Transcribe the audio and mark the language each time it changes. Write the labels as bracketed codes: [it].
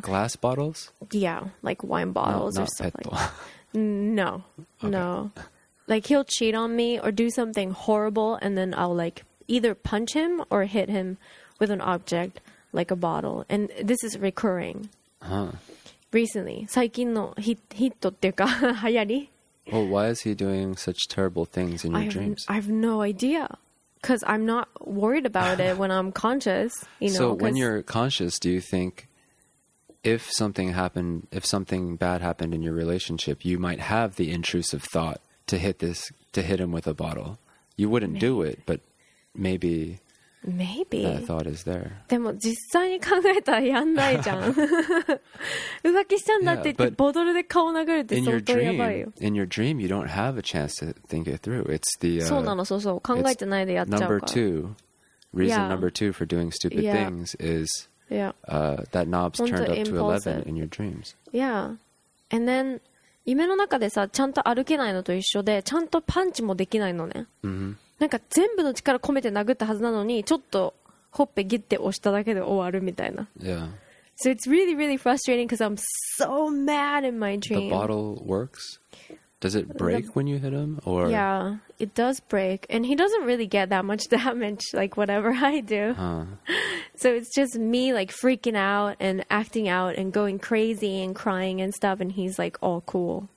[en] Glass bottles? Yeah, like wine bottles or something. Not petto. No, okay. no. Like, he'll cheat on me or do something horrible, and then I'll, like, either punch him or hit him with an object, like a bottle. And this is recurring. Huh. Recently. [ja] 最近のヒットっていうか、流行り。 [en] Well, why is he doing such terrible things in your dreams? I have no idea. Because I'm not worried about it when I'm conscious, you know. So, when you're conscious, do you think... if something bad happened in your relationship, you might have the intrusive thought to hit him with a bottle. You wouldn't maybe. Do it, but maybe, maybe that thought is there. [ja] でも実際に考えたらやんないじゃん。浮気したんだって言ってボトルで顔殴るって相当やばいよ。 [en] In your dream, you don't have a chance to think it through. It's the, [ja] そうなの、そうそう。考えてないでやっちゃうから。 [en] Number two, reason number two for doing stupid yeah. things is... that knob's turned up to 11 in your dreams. Yeah. And then, [ja] 夢の中でさ、ちゃんと歩けないのと一緒で、ちゃんとパンチもできないのね。 [en] Mm-hmm. [ja] なんか全部の力込めて殴ったはずなのに、ちょっとほっぺギッて押しただけで終わるみたいな。 [en] Yeah. So it's really, really frustrating because I'm so mad in my dream. The bottle works? Does it break when you hit him? Or... Yeah, it does break. And he doesn't really get that much damage, like whatever I do. Huh. So it's just me like freaking out and acting out and going crazy and crying and stuff and he's like all cool.